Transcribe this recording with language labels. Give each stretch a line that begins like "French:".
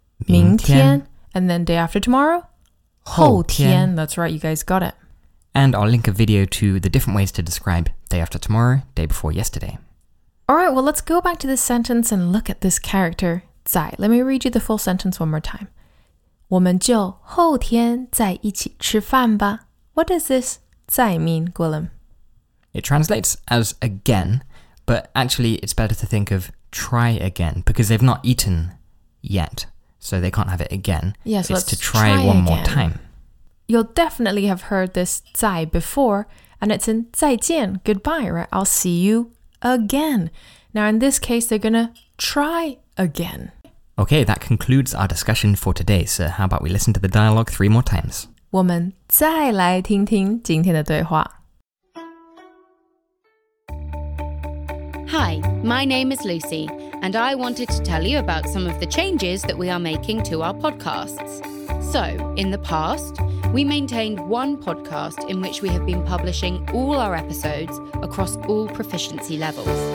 Chinese: 明天,
English: and then day after tomorrow,
Chinese: 后天.
English: That's right, you guys got it. And I'll link a video to the different ways to describe day after tomorrow, day before yesterday. All right, well, let's go back to this sentence and look at this character, 在. Let me read you the full sentence one more time.
Chinese: 我们就后天再一起吃饭吧.
English: What does this 在 mean, Gwilym? It translates as again, but actually it's better to think of try again, because they've not eaten yet. So they can't have it again. Yes, it's to try one again. More time. You'll definitely have heard this 再 before, and it's in 再见, goodbye, right? I'll see you again. Now, in this case, they're going to try again. Okay, that concludes our discussion for today. So how about we listen to the dialogue 3 more times?
Chinese: 我们再来听听今天的对话。
English: Hi, my name is Lucy, and I wanted to tell you about some of the changes that we are making to our podcasts. So, in the past, we maintained one podcast in which we have been publishing all our episodes across all proficiency levels.